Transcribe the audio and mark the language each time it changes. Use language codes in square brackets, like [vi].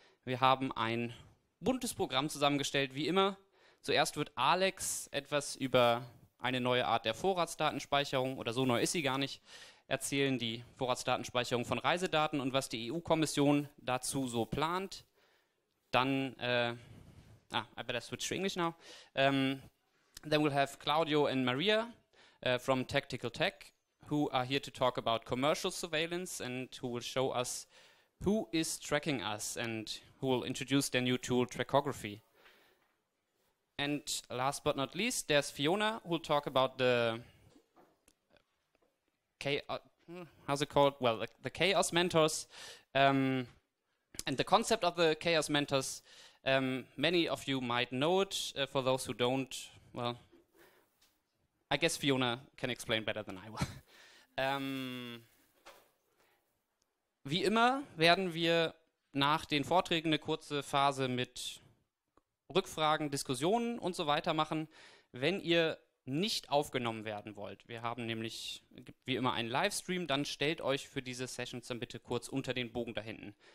[de] Wir haben ein buntes Programm zusammengestellt, wie immer. Zuerst wird Alex etwas über eine neue Art der Vorratsdatenspeicherung, oder so neu ist sie gar nicht, erzählen, die Vorratsdatenspeicherung von Reisedaten und was die EU-Kommission dazu so plant. Dann, [en] I better switch to English now. Then we'll have Claudio and Maria from Tactical Tech, who are here to talk about commercial surveillance and who will show us who is tracking us and who will introduce their new tool, Trackography. And last but not least, there's Fiona, who'll talk about the chaos, how's it called? Well, the chaos mentors, and the concept of the chaos mentors. Many of you might know it. For those who don't, well, I guess Fiona can explain better than I will. [de] Wie immer werden wir nach den Vorträgen eine kurze Phase mit Rückfragen, Diskussionen und so weiter machen, wenn ihr nicht aufgenommen werden wollt. Wir haben nämlich wie immer einen Livestream, dann stellt euch für diese Sessions dann bitte kurz unter den Bogen da hinten.